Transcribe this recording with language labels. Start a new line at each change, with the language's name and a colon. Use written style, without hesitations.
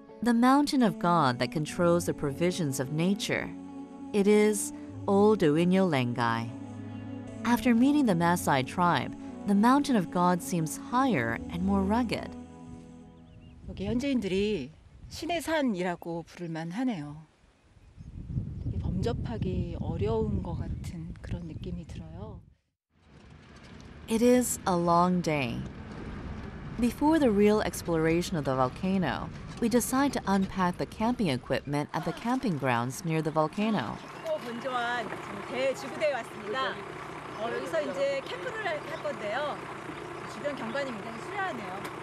English: The mountain of God that controls the provisions of nature. It is Olduinyo Lengai. After meeting the Maasai tribe, the mountain of God seems higher and more rugged.
Korean: 여기 현지인들이 신의 산이라고 부를만 하네요. 범접하기 어려운 것 같은 그런 느낌이 들어요.
English: It is a long day. Before the real exploration of the volcano, we decide to unpack the camping equipment at the camping grounds near the volcano.
Korean: 건조한 대지구대에 왔습니다. 여기서 이제 캠프를 할 건데요. 주변 경관이 굉장히 수려하네요.